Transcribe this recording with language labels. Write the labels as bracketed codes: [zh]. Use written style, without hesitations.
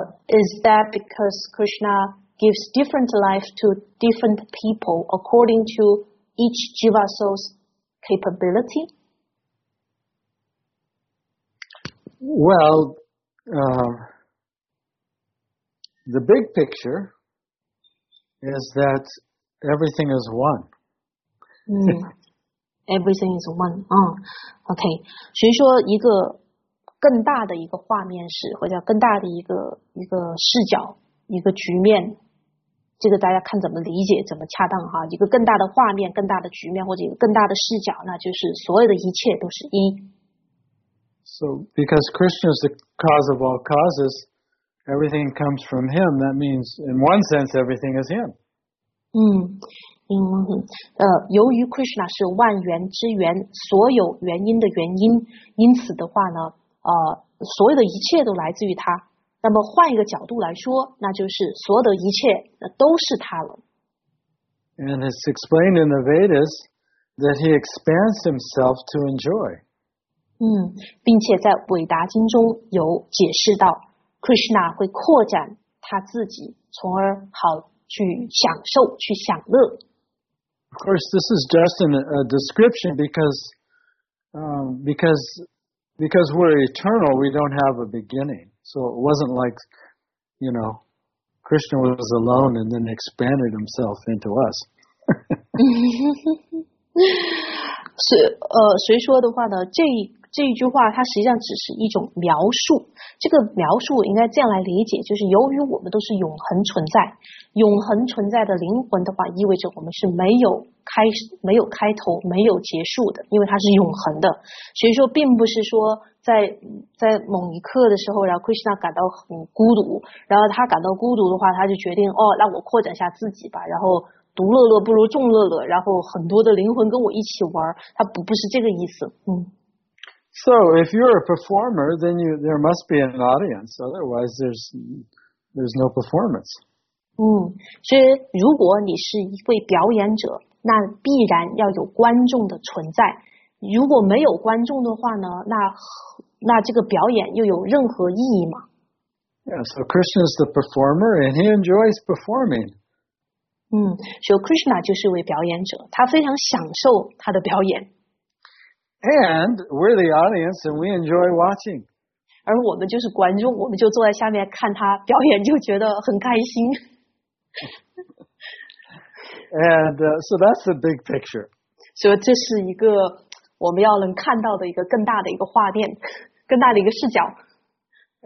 [en] Is that because Krishna gives different life to different people according to each jiva soul's capability? Well, the big picture is thatEverything is one. Everything is one. Okay. [zh] 所以说一个更大的一个画面是或者叫更大的一个视角一个局面。这个大家看怎么理解怎么恰当哈。一个更大的画面更大的局面或者一个更大的视角那就是所有的一切都是一。 [en] So, because Krishna is the cause of all causes, everything comes from him. That means, in one sense, everything is him. [zh] 由于 Krishna 是万缘之源，所有原因的原因，因此的话呢，所有的一切都来自于他。那么换一个角度来说，那就是所有的一切都是他了。 [en] And it's explained in the Vedas that he expands himself to enjoy. [zh] 并且在韦达经中有解释到 ，Krishna 会扩展他自己，从而好。去享受，去享乐。 [en] Of course, this is just a description because we're eternal, we don't have a beginning. So it wasn't like, you know, Krishna was alone and then expanded himself into us. [zh] 所以说的话呢，这一句话它实际上只是一种描述，这个描述应该这样来理解，就是由于我们都是永恒存在，永恒存在的灵魂的话，意味着我们是没有开头，没有结束的，因为它是永恒的。所以说，并不是说在某一刻的时候，然后 Krishna 感到很孤独，然后他感到孤独的话，他就决定哦，那我扩展一下自己吧，然后独乐乐不如众乐乐，然后很多的灵魂跟我一起玩，他不是这个意思， [en] So if you're a performer, then there must be an audience. Otherwise, there's no performance. [zh] 所以如果你是一位表演者，那必然要有观众的存在。如果没有观众的话呢，那这个表演又有任何意义吗？ [en] Yeah, so Krishna is the performer, and he enjoys performing. [zh] 所以 Krishna 就是一位表演者，他非常享受他的表演。 [en] And we're the audience, and we enjoy watching. [zh] 而我们就是观众，我们就坐在下面看他表演，就觉得很开心。 [en] And so that's the big picture. [zh] 所以这是一个我们要能看到的一个更大的一个画面，更大的一个视角。